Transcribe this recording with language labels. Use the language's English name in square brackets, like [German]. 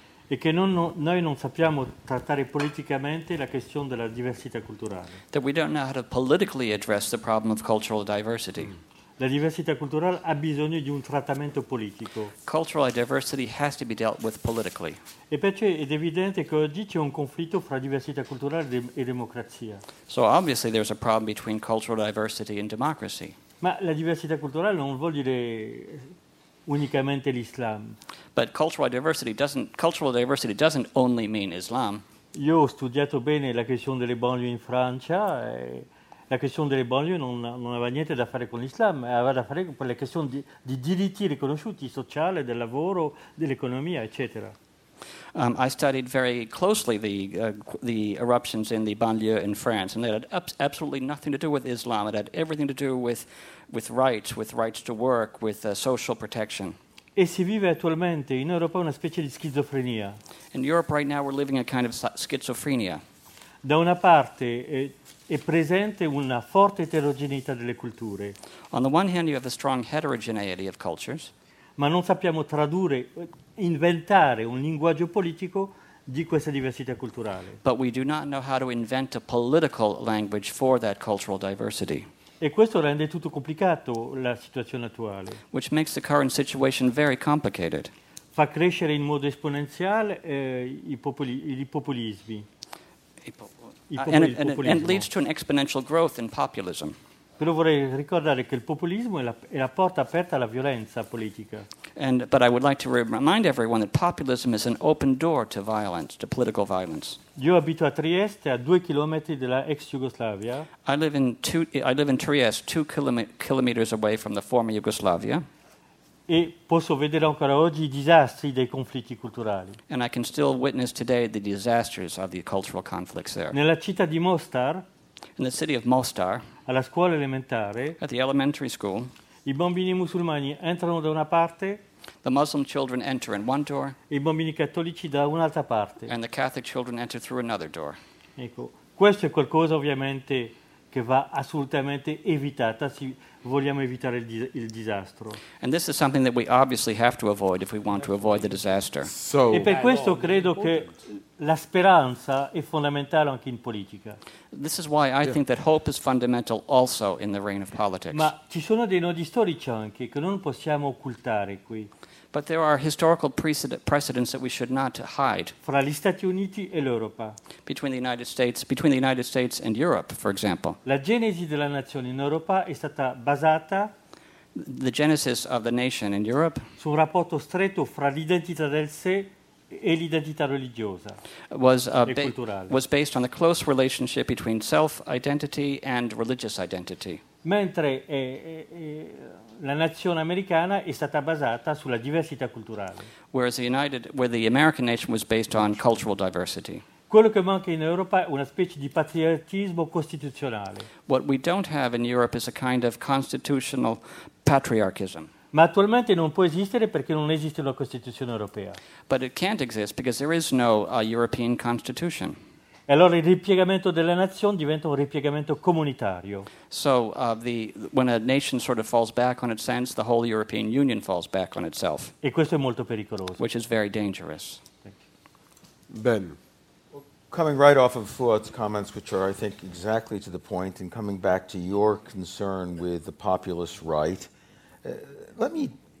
[Italian] E che noi non sappiamo trattare politicamente la questione della diversità culturale. [English] That we don't know how to politically address the problem of cultural diversity. [Italian] La diversità culturale ha bisogno di un trattamento politico. [English] Cultural diversity has to be dealt with politically. [Italian] E perciò è evidente che oggi c'è un conflitto fra diversità culturale e democrazia. [English] So obviously there's a problem between cultural diversity and democracy. [Italian] Ma la diversità culturale non vuol dire unicamente l'Islam. [English] But cultural diversity doesn't only mean Islam. [Italian] Io ho studiato bene la questione delle banlieue in Francia e la questione delle banlieue non aveva niente da fare con l'Islam, aveva da fare con le questioni di diritti riconosciuti, sociale, del lavoro, dell'economia, eccetera. [English] I studied very closely the eruptions in the banlieue in France, and it had absolutely nothing to do with Islam. It had everything to do with rights to work, with social protection. [Italian] E si vive attualmente in Europa una specie di schizofrenia. [English] In Europe right now we're living a kind of schizophrenia. [Italian] Da una parte è presente una forte eterogeneità delle culture. [English] On the one hand you have a strong heterogeneity of cultures. [Italian] Ma non sappiamo tradurre, inventare un linguaggio politico di questa diversità culturale. [English] But we do not know how to invent a political language for that cultural diversity. [Italian] E questo rende tutto complicato la situazione attuale. [English] Which makes the current situation very complicated. [Italian] Fa crescere in modo esponenziale i populismi. [English] And leads to an exponential growth in populism. [Italian] Però vorrei ricordare che il populismo è la porta aperta alla violenza politica. [English] But I would like to remind everyone that populism is an open door to violence, to political violence. [Italian] Io abito a Trieste, a 2 chilometri dalla ex Yugoslavia. [English] I live in Trieste, 2 kilometers away from the former Yugoslavia. [Italian] E posso vedere ancora oggi i disastri dei conflitti culturali. [English] And I can still witness today the disasters of the cultural conflicts there. [Italian] Nella città di Mostar. [English] In the city of Mostar. [Italian] Alla scuola elementare. [English] At the elementary school. [Italian] I bambini musulmani entrano da una parte. [English] The Muslim children enter in one door. [Italian] I bambini cattolici da un'altra parte. [English] And the Catholic children enter through another door. [Italian] Ecco, questo è qualcosa ovviamente che va assolutamente evitata se vogliamo evitare il disastro. [English] And this is something that we obviously have to avoid if we want to avoid the disaster. So, [Italian] e per questo credo che la speranza è fondamentale anche in politica. [English] This is why I think that hope is fundamental also in the reign of politics. [Italian] Ma ci sono dei nodi storici anche che non possiamo occultare qui. [English] But there are historical precedents that we should not hide. [Italian] Fra gli Stati Uniti e l'Europa. [English] Between the United States and Europe, for example. [Italian] La genesi della nazione in Europa è stata basata. [English] The genesis of the nation in Europe. [Italian] Su un rapporto stretto fra l'identità del sé e l'identità religiosa e culturale. [English] Was based on the close relationship between self-identity and religious identity. [Italian] Mentre la nazione americana è stata basata sulla diversità culturale. [English] Where the American nation was based on cultural diversity. [Italian] Quello che manca in Europa è una specie di patriottismo costituzionale. [English] What we don't have in Europe is a kind of constitutional patriarchism. [Italian] Ma attualmente non può esistere perché non esiste una Costituzione europea. [English] But it can't exist because there is no European constitution. [Italian] E allora il ripiegamento della nazione diventa un ripiegamento comunitario. [English] So when a nation sort of falls back on itself, the whole European Union falls back on itself. [Italian] E questo è molto pericoloso. [English] Which is very dangerous. Ben, coming right off of Fuad's comments, which are I think exactly to the point, and coming back to your concern with the populist right, let me.